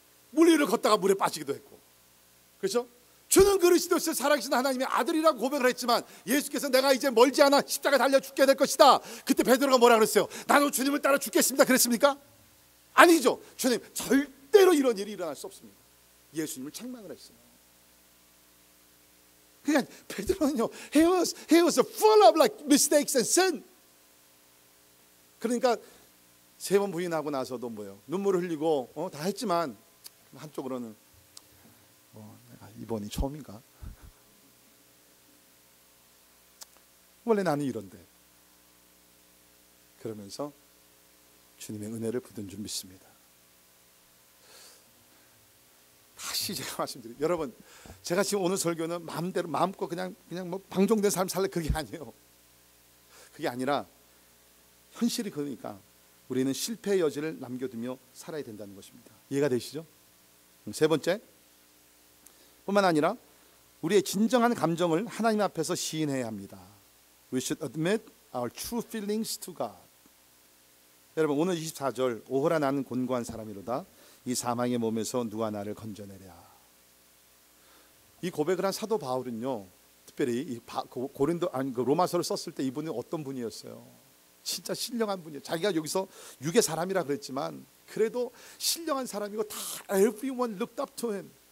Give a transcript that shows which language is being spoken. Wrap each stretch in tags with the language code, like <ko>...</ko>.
<ko>물 위를 걷다가 물에 빠지기도 했고, 그렇죠? 주는 그리스도시 살아계신 하나님의 아들이라고 고백을 했지만 예수께서 내가 이제 멀지 않아 십자가 달려 죽게 될 것이다. 그때 베드로가 뭐라 그랬어요? 나도 주님을 따라 죽겠습니다. 그랬습니까? 아니죠. 주님, 절대로 이런 일이 일어날 수 없습니다. 예수님을 책망을 했어요. 그냥 베드로는요,</ko> <en>he was full of like mistakes and sin.</en> <ko>그러니까 세 번 부인하고 나서도 뭐요, 눈물을 흘리고 다 했지만 한쪽으로는 내가 이번이 처음인가? 원래 나는 이런데. 그러면서 주님의 은혜를 부은 줄 믿습니다. 다시 다시 제가 말씀드리고 여러분 제가 지금 오늘 설교는 마음대로 마음껏 그냥 뭐 방종된 삶 살래 그게 아니에요. 그게 아니라 현실이 그러니까 우리는 실패의 여지를 남겨두며 살아야 된다는 것입니다. 이해가 되시죠? 세 번째 뿐만 아니라 우리의 진정한 감정을 하나님 앞에서 시인해야 합니다.</ko> <en>We should admit our true feelings to God.</en> <ko>여러분 오늘 24절 오호라 나는 곤고한 사람이로다. 이 사망의 몸에서 누가 나를 건져내랴. 이 고백을 한 사도 바울은요. 특별히 로마서를 썼을 때 이분은 어떤 분이었어요? 진짜 신령한 분이에요. 자기가 여기서 육의 사람이라 그랬지만 그래도 신령한 사람이고 다</ko> <en>everyone looked up to him.</en>